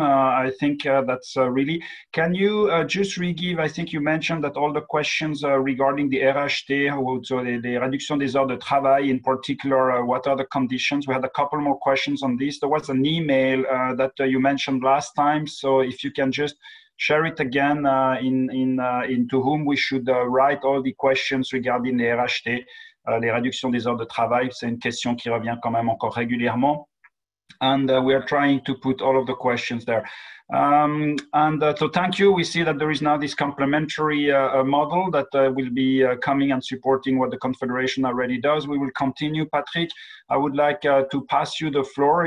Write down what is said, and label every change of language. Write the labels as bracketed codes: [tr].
[en] I think that's really... Can you just re-give, I think you mentioned that all the questions regarding the RHT, so the [fr] réduction des heures de travail [en] in particular, what are the conditions? We had a couple more questions on this. There was an email that you mentioned last time, so if you can just share it again in to whom we should write all the questions regarding the RHT, [fr] les réductions des heures de travail. C'est une question qui revient quand même encore régulièrement. [en] And we are trying to put all of the questions there. So thank you. We see that there is now this complementary model that will be coming and supporting what the Confederation already does. We will continue, Patrick. I would like to pass you the floor.